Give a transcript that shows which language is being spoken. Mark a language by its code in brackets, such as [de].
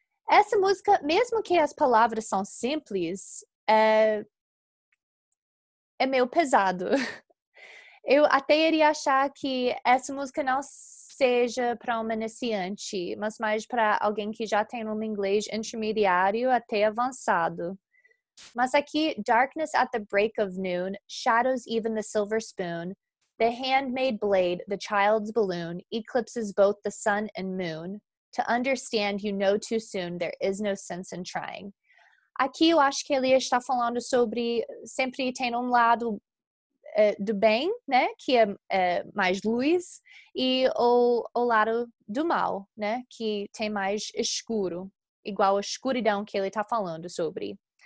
[pt] Essa música, mesmo que as palavras são simples, é meio pesado. Eu até iria achar que essa música não seja para um iniciante, mas mais para alguém que já tem um inglês intermediário até avançado. Mas aqui, [en] darkness at the break of noon, shadows even the silver spoon, the handmade blade, the child's balloon, eclipses both the sun and moon. To understand, you know too soon, there is no sense in trying. [pt] Aqui eu acho que ele está falando sobre, sempre tem lado do bem, né, que é mais luz, e o lado do mal, né, que tem mais escuro, igual a escuridão que ele está falando sobre.